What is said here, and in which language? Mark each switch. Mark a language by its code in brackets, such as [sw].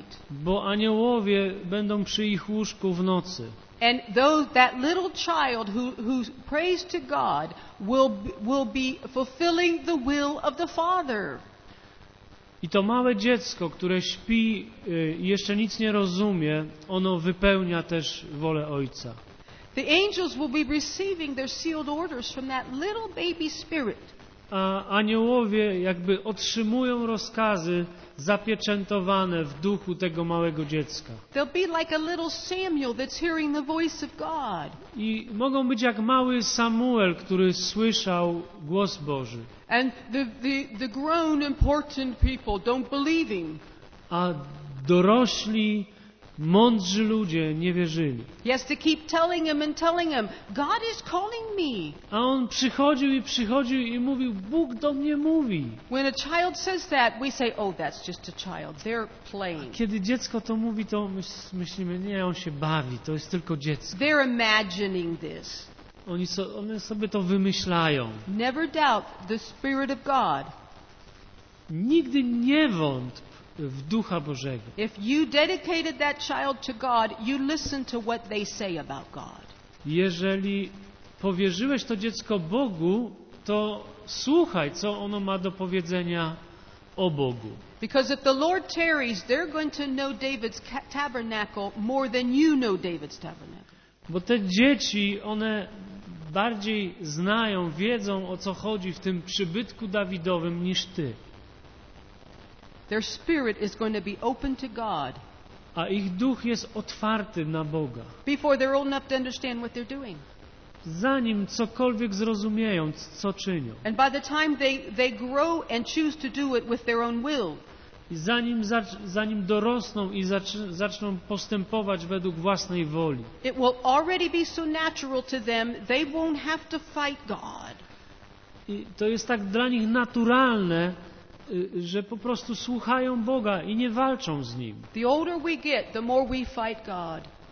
[pl] Bo aniołowie będą przy ich łóżku w nocy. [en] And though that little child who prays to God will be fulfilling the will of the Father. [pl] I to małe dziecko, które śpi i jeszcze nic nie rozumie, ono wypełnia też wolę Ojca. [en] The angels will be receiving their sealed orders from that little baby spirit. [pl] A aniołowie jakby otrzymują rozkazy zapieczętowane w duchu tego małego dziecka. [en] They'll be like a little Samuel that's hearing the voice of God. [pl] I mogą być jak mały Samuel, który słyszał głos Boży. [en] And the grown important people don't believe him. [pl] A dorośli mądrzy ludzie nie wierzyli. [en] He has to keep telling him and telling him, God is calling me. [pl] A on przychodził i mówił, Bóg do mnie mówi. [en] When a child says that, we say, oh, that's just a child. They're playing. [pl] A kiedy dziecko to mówi, to myślimy, nie, on się bawi, to jest tylko dziecko. [en] They're imagining this. [pl] One sobie to wymyślają. [en] Never doubt the Spirit of God. [pl] Nigdy nie wątp w Ducha Bożego. [en] If you dedicated that child to God, you listen to what they say about God. [pl] Jeżeli powierzyłeś to dziecko Bogu, to słuchaj, co ono ma do powiedzenia o Bogu. [en] Because if the Lord tarries, they're going to know David's tabernacle more than you know David's tabernacle. [pl] Bo te dzieci, one bardziej znają, wiedzą, o co chodzi w tym przybytku Dawidowym niż ty. [en] Their spirit is going to be open to God. [pl] A ich duch jest otwarty na Boga. [en] Before they're old enough to understand what they're doing. [pl] Zanim cokolwiek zrozumieją, co czynią. [en] And by the time they grow and choose to do it with their own will. [pl] I zanim dorosną i zaczną postępować według własnej woli. [en] It will already be so natural to them, they won't have to fight God. [pl] I to jest tak dla nich naturalne, że po prostu słuchają Boga i nie walczą z Nim. [en] The older we get, the more we fight God.